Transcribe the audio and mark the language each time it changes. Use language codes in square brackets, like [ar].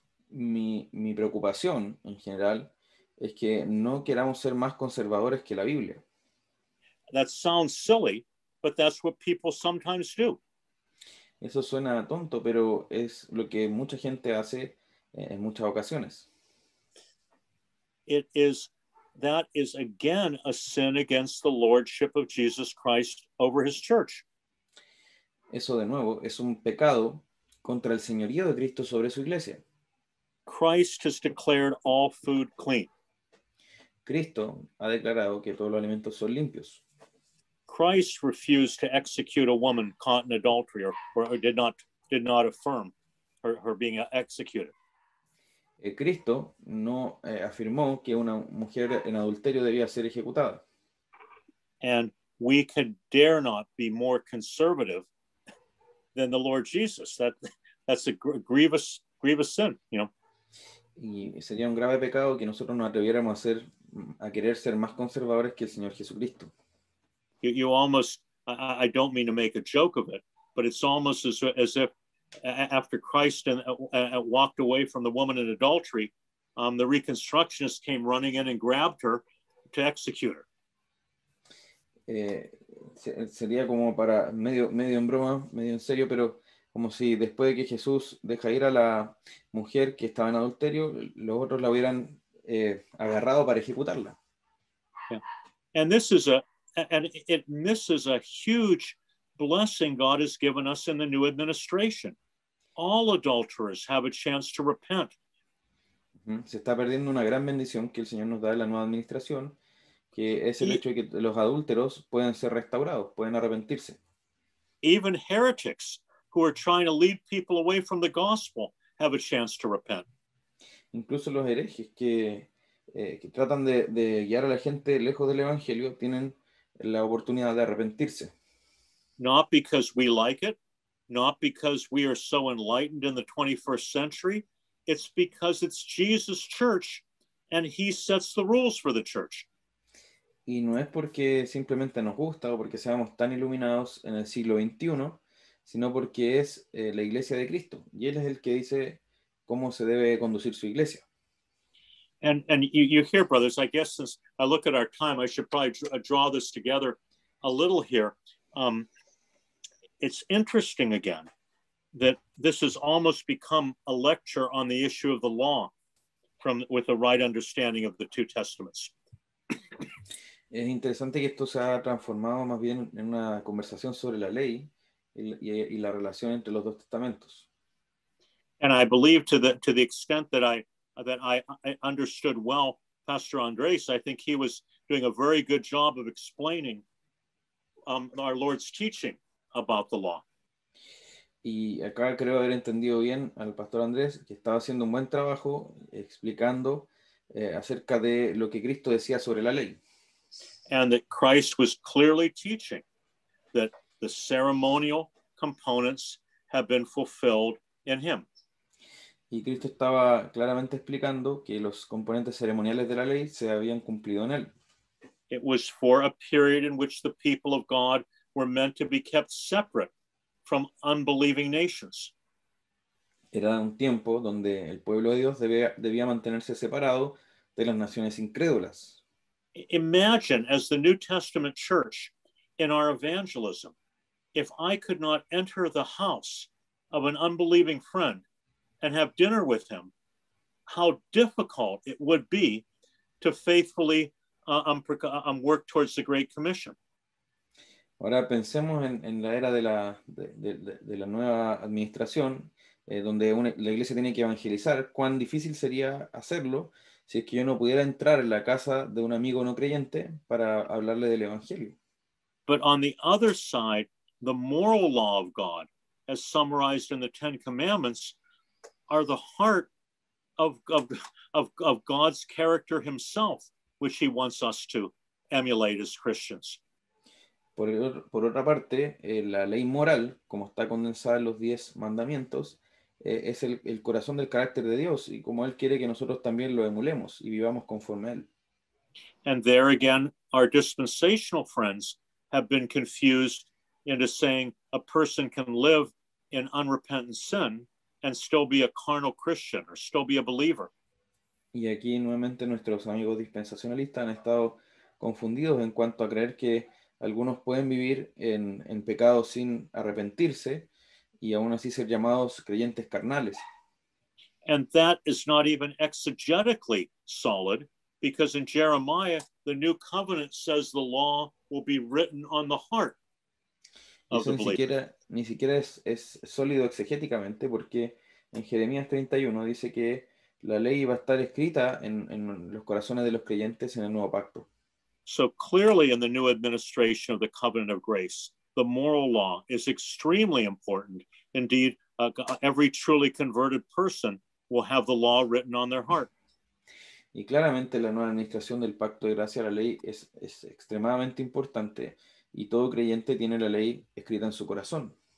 [es] Mi preocupación en general es que no queramos ser más conservadores que la Biblia. [en] That sounds silly, but that's what people sometimes do. [es] Eso suena tonto, pero es lo que mucha gente hace en muchas ocasiones. [en] That is again a sin against the lordship of Jesus Christ over his church. [es] Eso de nuevo es un pecado contra el señorío de Cristo sobre su iglesia. [en] Christ has declared all food clean. [es] Cristo ha declarado que todos los alimentos son limpios. [en] Christ refused to execute a woman caught in adultery or did not affirm her being executed. [es] Cristo no afirmó que una mujer en adulterio debía ser ejecutada. [en] And we can dare not be more conservative than the Lord Jesus. That's a grievous sin, you know. [es] Y sería un grave pecado que nosotros nos atreviéramos a querer ser más conservadores que el Señor Jesucristo. [en] You almost, I don't mean to make a joke of it, but it's almost as if after Christ walked away from the woman in adultery, the Reconstructionists came running in and grabbed her to execute her. [es] Sería como para medio en broma, medio en serio, pero como si después de que Jesús deja ir a la mujer que estaba en adulterio, los otros la hubieran agarrado para ejecutarla. [en] Yeah. And this is a huge blessing God has given us in the new administration. All adulterers have a chance to repent. Uh-huh. [es] Se está perdiendo una gran bendición que el Señor nos da en la nueva administración, que es el hecho de que los adúlteros pueden ser restaurados, pueden arrepentirse. [en] Even heretics who are trying to lead people away from the gospel have a chance to repent. [es] Incluso los herejes que tratan de guiar a la gente lejos del evangelio tienen la oportunidad de arrepentirse. [en] Not because we like it, not because we are so enlightened in the 21st century, it's because it's Jesus' church and he sets the rules for the church. [es] Y no es porque simplemente nos gusta o porque seamos tan iluminados en el siglo 21, sino porque es la iglesia de Cristo. Y él es el que dice cómo se debe conducir su iglesia. [en] And you hear, brothers, I guess as I look at our time, I should probably draw this together a little here. It's interesting again that this has almost become a lecture on the issue of the law with a right understanding of the two testaments. [es] Es interesante que esto se ha transformado más bien en una conversación sobre la ley y la relación entre los dos testamentos. [en] And I believe to the extent that I understood well Pastor Andres, I think he was doing a very good job of explaining our Lord's teaching about the law. [es] Y acá creo haber entendido bien al Pastor Andrés, que estaba haciendo un buen trabajo explicando acerca de lo que Cristo decía sobre la ley. [en] And that Christ was clearly teaching that the ceremonial components have been fulfilled in him. [es] Y Cristo estaba claramente explicando que los componentes ceremoniales de la ley se habían cumplido en él. [en] It was for a period in which the people of God were meant to be kept separate from unbelieving nations. [es] Era un tiempo donde el pueblo de Dios debía mantenerse separado de las naciones incrédulas. [en] Imagine as the New Testament church in our evangelism, if I could not enter the house of an unbelieving friend and have dinner with him, how difficult it would be to faithfully work towards the Great Commission. [es] Ahora pensemos en la era de la nueva administración, donde la iglesia tiene que evangelizar. ¿Cuán difícil sería hacerlo si es que yo no pudiera entrar en la casa de un amigo no creyente para hablarle del evangelio? [en] But on the other side, the moral law of God, as summarized in the Ten Commandments, are the heart of God's character himself, which he wants us to emulate as Christians. [es] Por otra parte, la ley moral, como está condensada en los 10 mandamientos, es el corazón del carácter de Dios, y como él quiere que nosotros también lo emulemos y vivamos conforme a él. [en] And there again, our dispensational friends have been confused into saying a person can live in unrepentant sin and still be a carnal Christian or still be a believer. [es] Y aquí nuevamente nuestros amigos dispensacionalistas han estado confundidos en cuanto a creer que algunos pueden vivir en pecado sin arrepentirse y aún así ser llamados creyentes carnales. [en] And that is not even exegetically solid, because in Jeremiah, the new covenant says the law will be written on the heart of the believer. [es] Ni siquiera es sólido exegéticamente, porque en Jeremías 31 dice que la ley va a estar escrita en los corazones de los creyentes en el nuevo pacto. [en] So clearly, in the new administration of the covenant of grace, the moral law is extremely important. Indeed, every truly converted person will have the law written on their heart. [es] Y claramente la nueva administración del pacto de gracia, la ley, es extremadamente importante, y todo creyente tiene la ley escrita en su corazón.